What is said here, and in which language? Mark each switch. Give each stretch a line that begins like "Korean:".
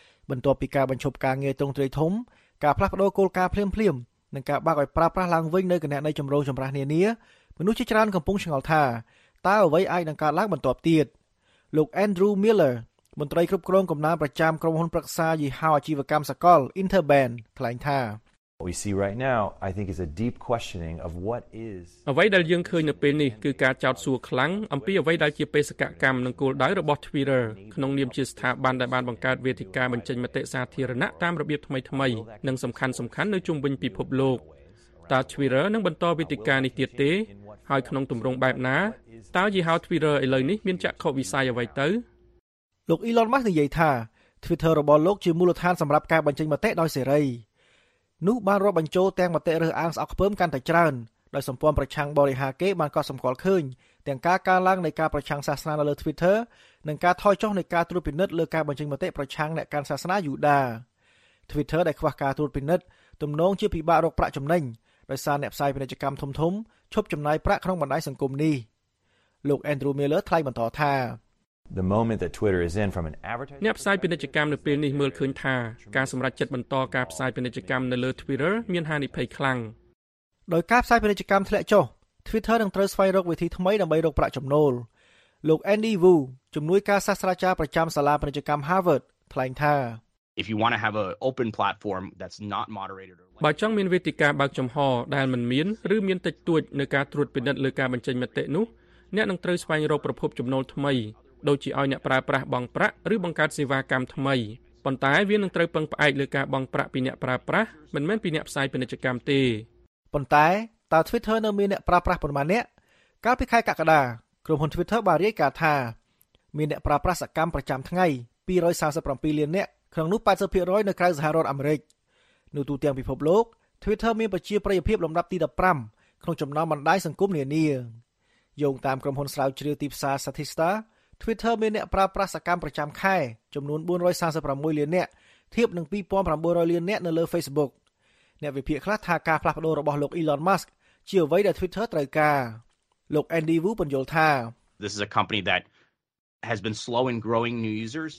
Khmer: បន្ទាប់ពីការបញ្ឈប់ការងារទ្រង់ទ្រាយធំការផ្លាស់ប្ដូរគោលការណ៍ភ្លាមៗនិងការបាក់ឲ្យប្រើប្រាស់ឡើងវិញនៅគណនីចម្រូងចម្រាសនានាមនុស្សជាច្រើនកំពុងឆ្ងល់ថាតើអ្វីអាចនឹងកើតឡើងបន្ទាប់ទៀតលោក Andrew Miller មន្ត្រីគ្រប់គ្រងកំណើប្រចាំក្រុមហ៊ុនប្រឹក្សាយីហោអាជីវកម្មសកល Interband ថ្លែងថា
English: We see right now I think is a deep questioning of what is
Khmer: អ្វីដែលយើងឃើញនៅពេលនេះគឺការចោទសួរខ្លាំងអំពីអ្វីដែលជាបេសកកម្មនិងគោលដៅរបស់ Twitter ក្នុងនាមជាស្ថាប័នដែលបានបង្កើតវេទិកាបញ្ចេញមតិសាធារណៈតាមរបៀបថ្មីថ្មីនិងសំខាន់សំខាន់នៅជុំវិញពិភពលោកតើ Twitter នឹងបន្តវេទិកានេះទៀតទេហើយក្នុងទម្រង់បែបណាតើយីហោ Twitter ឥឡូវនេះមានចក្ខុវិស័យអ្វីទៅ លោក Elon Musk និយាយថា Twitter របស់លោកជាមូលដ្ឋានសម្រាប់ការបញ្ចេញមតិដោយសេរីនោះបានរាប់បញ្ចូលទាំងមតិរើសអើងស្អប់ខ្ពើមកាន់តែច្រើនដោយសម្ព័ន្ធប្រឆាំងបរិហាកេរបានកត់សម្គាល់ឃើញទាំងការកើនឡើងនៃការប្រឆាំងសាសនានៅលើ Twitter និងការថយចុះនៃការត្រួតពិនិត្យលើការបញ្ចេញមតិប្រឆាំងអ្នកកាន់សាសនាយូដា Twitter ដែលខ្វះការត្រួតពិនិត្យទំនងជាពិបាករកប្រាក់ចំណេញដោយសារអ្នកផ្សាយពាណិជ្ជកម្មធំធំឈប់ចំណាយប្រាក់ក្នុងបណ្ដាញសង្គមនេះលោក Andrew Miller ថ្លែងបន្តថា
English: The moment that Twitter is in from an advertising
Khmer: អ្នកផ្សាយពាណិជ្ជកម្មនៅពេលនេះមើលឃើញថាការសម្រេចចិត្តបន្តការផ្សាយពាណិជ្ជកម្មនៅលើ Twitter មានហានិភ័យខ្លាំង ដោយការផ្សាយពាណិជ្ជកម្មធ្លាក់ចុះ Twitter នឹងត្រូវស្វែងរកវិធីថ្មីដើម្បីរកប្រាក់ចំណូលលោក Andy Wu ជំនួយការសាស្ត្រាចារ្យប្រចាំសាលាពាណិជ្ជកម្ម Harvard ថ្លែងថា
English: If you want to have an open platform that's not moderated or
Khmer: បើចង់មានវេទិកាបើកចំហដែលមិនមានឬមានតិចតួចនៅការត្រួតពិនិត្យលើការបញ្ចេញមតិនោះអ្នកនឹងត្រូវស្វែងរកប្រភពចំណូលថ្មីដូចជាឲ្យអ្នកប្រើប្រាស់បង់ប្រាក់ឬបង្កើតសេវាកម្មថ្មីប៉ុន្តែវានឹងត្រូវពឹងផ្អែកលើការបង់ប្រាក់ពីអ្នកប្រើប្រាស់មិនមែនពីអ្នកផ្សាយពាណិជ្ជកម្មទេ ប៉ុន្តែតើ Twitter នៅមានអ្នកប្រើប្រាស់ប៉ុន្មានអ្នកកាលពីខែកក្កដាក្រុមហ៊ុន Twitter បានរាយការណ៍ថាមានអ្នកប្រើប្រាស់សកម្មប្រចាំថ្ងៃ237លានអ្នកក្នុងនោះ 80% នៅក្រៅសហរដ្ឋអាមេរិកនៅទូទាំងពិភពលោក Twitter មានប្រជាប្រិយភាពលំដាប់ទី15ក្នុងចំណោមបណ្ដាញសង្គមនានា យោងតាមក្រុមហ៊ុនស្រាវជ្រាវទីផ្សារ Statista Twitter មានអ្នកប្រើប្រាស់សកម្មប្រចាំខែចំនួន436លានអ្នកធៀបនឹង2900លានអ្នកនៅលើ Facebook អ្នកវិភាគខ្លះថាការផ្លាស់ប្ដូររបស់លោក Elon Musk ជាអ្វីដែល Twitter ត្រូវការលោក Andy Wu ពន្យល់ថា
English: This is a company that has been slow in growing new users